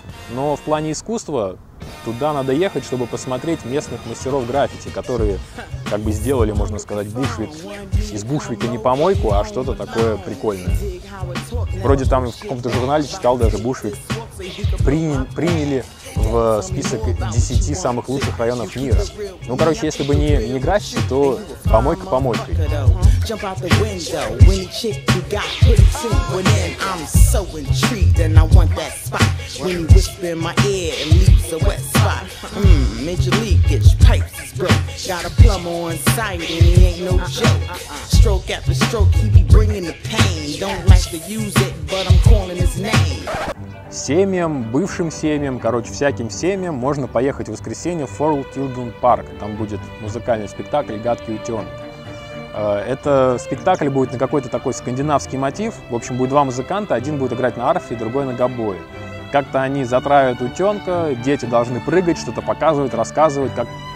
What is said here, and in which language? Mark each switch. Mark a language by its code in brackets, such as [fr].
[ru] Но в плане искусства туда надо ехать, чтобы посмотреть местных мастеров граффити, которые как бы сделали, можно сказать, Бушвик из Бушвика не помойку, а что-то такое прикольное. Вроде там в каком-то журнале читал даже Бушвик. Приняли в список 10 самых лучших районов мира. Ну, короче, если бы не граффити, то помойка помойкой. [en] Jump out the window when the chick you got put two one in. I'm so intrigued and I want that spot when you whisper in my ear and leaves a wet spot. Major leakage, pipes is broke. Got a plumber on sight and he ain't no joke. Stroke after stroke, he be bringing the pain. Don't like to use it, but I'm calling his name. [ru] Семьям, бывшим семьям, короче, всяким семьям можно поехать в воскресенье в Four Children Park. Там будет музыкальный спектакль «Гадкий утенок». Это спектакль будет на какой-то такой скандинавский мотив. В общем, будет два музыканта, один будет играть на арфе, другой на гобое. Как-то они затравят утенка, дети должны прыгать, что-то показывать, рассказывать. Как...